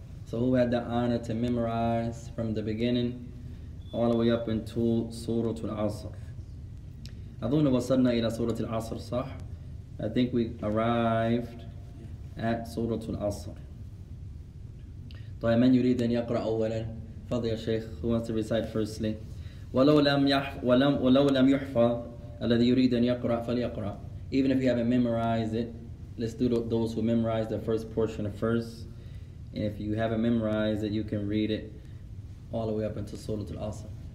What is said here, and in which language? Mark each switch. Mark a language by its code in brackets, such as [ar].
[en] So who had the honor to memorize from the beginning all the way up into Surah al-Asr? [ar] أَظُنُّ وَصَلْنَا إِلَىٰ سُورَةِ الْعَصَرِ صح. [en] I think we arrived at Surah al-Asr. [ar] طيب من يريد أن يقرأ أولا فضل يا شيخ. [en] Who wants to recite firstly? [ar] ولو لم يحفظ الذي يريد أن يقرأ فليقرأ. [en] Even if you haven't memorized it, let's do those who memorized the first portion of first. And if you haven't memorized it, you can read it all the way up into Surah Al-Asr.